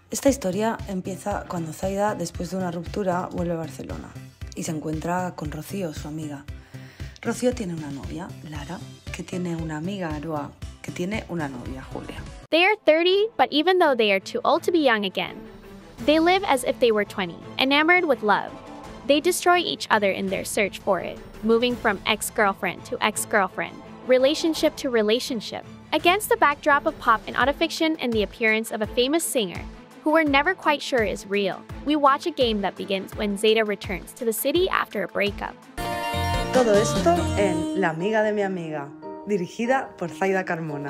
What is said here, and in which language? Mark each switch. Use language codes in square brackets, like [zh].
[es] Esta historia empieza cuando Zaida, después de una ruptura, vuelve a Barcelona y se encuentra con Rocío, su amiga. Rocío tiene una novia, Lara, que tiene una amiga, Aroa, que tiene una novia, Julia. [en] They are 30, but even though they are too old to be young again, they live as if they were 20, enamored with love. They destroy each other in their search for it, moving from ex-girlfriend to ex-girlfriend, relationship to relationship. Against the backdrop of pop and autofiction and the appearance of a famous singer, who we're never quite sure is real, we watch a game that begins when Zeta returns to the city after a breakup. [es] Todo esto en La Amiga de Mi Amiga, dirigida por Zaida Carmona.